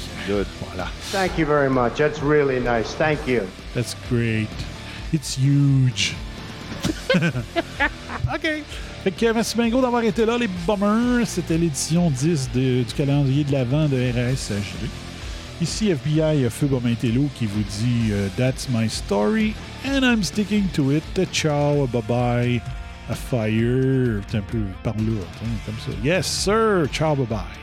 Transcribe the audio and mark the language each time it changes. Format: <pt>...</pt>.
<en>Good.</en> <fr>Voilà.</fr> <en>Thank you very much. That's really nice. Thank you. That's great. It's huge. OK.</en> <fr>Fait que merci Bingo d'avoir été là, les bummers. C'était l'édition 10 du calendrier de l'Avent de RSHD. Ici FBI, Fubo Mintello qui vous dit</fr> <en>that's my story and I'm sticking to it. Ciao, bye bye, a fire.</en> <fr>C'est un peu par l'autre, hein, comme ça.</fr> <en>Yes, sir, ciao, bye bye.</en>